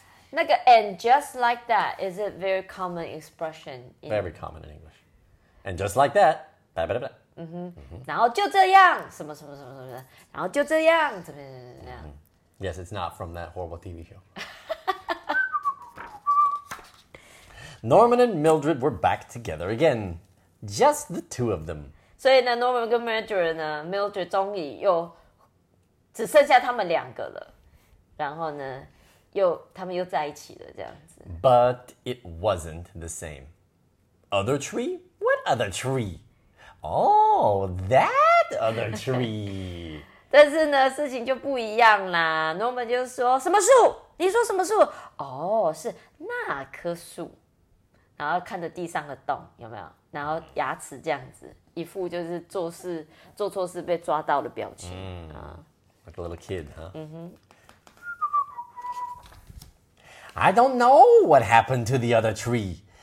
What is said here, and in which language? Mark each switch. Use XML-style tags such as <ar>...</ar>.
<en>那个 and just like that is a very common expression. Very common in English. And just like that, ba ba ba.</en> <zh>然后就这样，什么什么什么什么，然后就这样，怎么怎么怎么怎么样。</zh> <en>Yes, it's not from that horrible TV show. Norman and Mildred were back together again, just the two of them.</en> <zh>所以呢 ，Norman 跟 Mildred 呢 ，Mildred 终于又只剩下他们两个了。然后呢，又他们又在一起了，这样子。</zh> <en>But it wasn't the same. Other tree? What other tree? Oh, that other tree.</en> <zh>但是呢，事情就不一样啦。 Norman 就说什么树？你说什么树？哦，是那棵树。然后看着地上的洞，有没有？然后牙齿这样子，一副就是做错事被抓到的表情。</zh> <en>Like a little kid, huh? I don't know what happened to the other tree.</en>